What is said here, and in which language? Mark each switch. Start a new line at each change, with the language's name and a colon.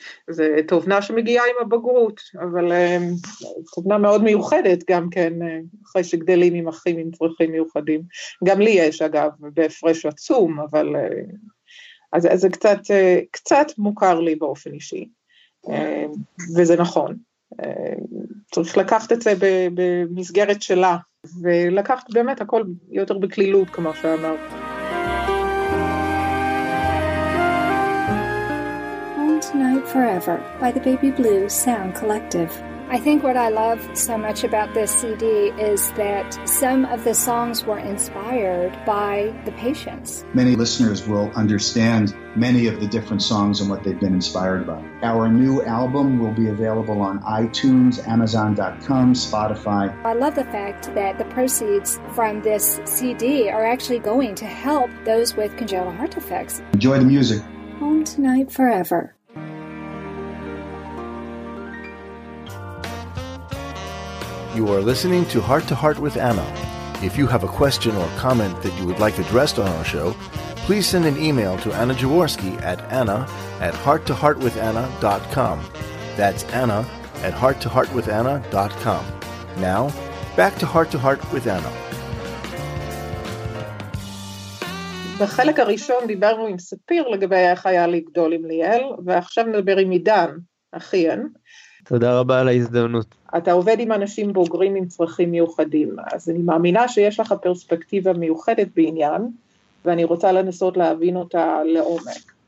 Hebrew: זה תובנה שמגיעה עם הבגרות, אבל תובנה מאוד מיוחדת גם כן, אחרי שגדלים עם אחים עם צרכים מיוחדים, גם לי יש אגב, בהפרש עצום, אבל אז זה קצת מוכר לי באופן אישי, וזה נכון, צריך לקחת את זה במסגרת שלה, ולקחת באמת הכל יותר בכלילות כמו שאמרת.
English: Night Forever by the Baby Blue Sound Collective. I think what I love so much about this CD is that some of the songs were inspired by the patients. Many listeners will understand many of the different songs and what they've been inspired by. Our new album will be available on iTunes, Amazon.com, Spotify. I love the fact that the proceeds from this CD are actually going to help those with congenital heart defects. Enjoy the music. Home Tonight Forever. You are listening to Heart to Heart with Anna. If you have a question or comment that you would like addressed on our show, please send an email to Anna Jaworski at anna@hearttoheartwithanna.com. That's anna@hearttoheartwithanna.com. Now, back to Heart to Heart with Anna.
Hebrew: בחלק הראשון דיברנו עם ספיר לגבי איך היה לגדול עם ליאל, ועכשיו נדבר עם עידן, אחיין. תודה רבה על ההזדמנות. אתה עובד עם אנשים בוגרים עם צרכים מיוחדים, אז אני מאמינה שיש לך פרספקטיבה מיוחדת בעניין, ואני רוצה לנסות להבין אותה לעומק.